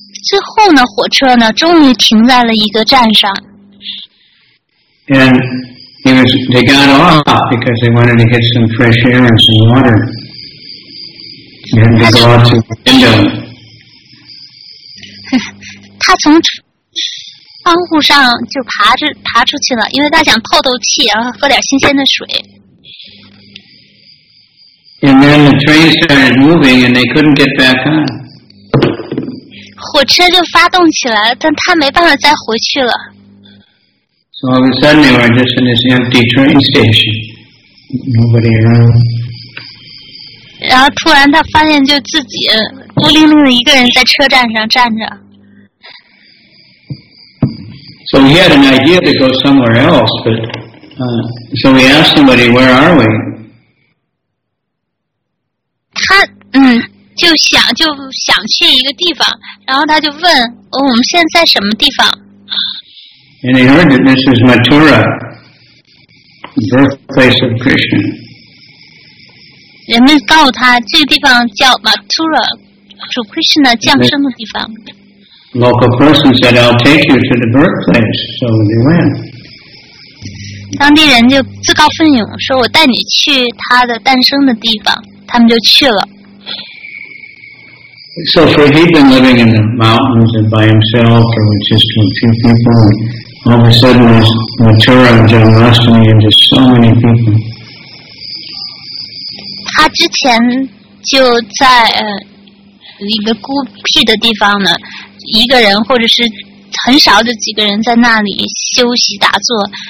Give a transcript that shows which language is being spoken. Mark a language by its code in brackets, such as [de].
[zh] 最后呢，火车呢终于停在了一个站上。 [en] And they got off because they wanted to get some fresh air and some water. And they go out to the window. [zh] 他从窗户上就爬出去了，因为他想透透气，然后喝点新鲜的水。 [en] And then the train started moving, and they couldn't get back on. [zh] 火车就发动起来了，但他没办法再回去了。 [en] So all of a sudden they were just in this empty train station. Nobody around. [zh] 然后突然他发现就自己孤零零的一个人在车站上站着。 [en] So he had an idea to go somewhere else, but, so he asked somebody, where are we? [zh] 他就想去一个地方，然后他就问，哦，我们现在在什么地方？ [en] And he heard that this is Mathura, the birthplace of Krishna. [zh] 人们告诉他这个地方叫 Mathura, 主 Krishna 降生的地方。 [en] Local person said, "I'll take you to the birthplace." So they went. [zh] 当地人就自告奋勇说，我带你去他的诞生的地方。他们就去了。 [en] So for he'd been living in the mountains and by himself, or with just a few people. All of a sudden, this Mathura and Janmashtami into so many people. [zh] 他之前就在一个孤僻的地方呢，一个人或者是很少的几个人在那里休息打坐。